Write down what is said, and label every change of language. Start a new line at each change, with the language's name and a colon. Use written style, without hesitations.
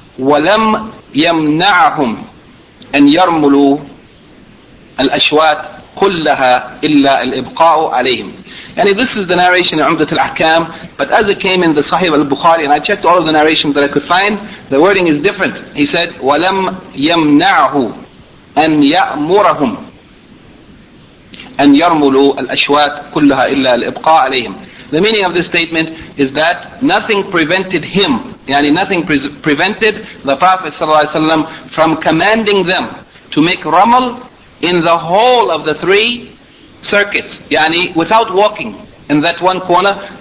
Arabic: وَلَمْ يَمْنَعَهُمْ أَنْ يَرْمُلُوا الْأَشْوَاتِ كُلَّهَا إِلَّا الْإِبْقَاءُ عَلَيْهِمْ.
English: And this is the narration in Umdat al-Ahkam, but as it came in the Sahih al-Bukhari, and I checked all of the narrations that I could find, the wording is different. He said,
Arabic: وَلَمْ يَمْنَعْهُ أَنْ يَأْمُرَهُمْ أَنْ يَرْمُلُوا الْأَشْوَاتِ كُلَّهَا إِلَّا الْإِبْقَاءُ عَلَيْهِمْ.
English: The meaning of this statement is that nothing prevented him, nothing prevented the Prophet ﷺ from commanding them to make ramal in the whole of the 3 circuits, without walking in that one corner.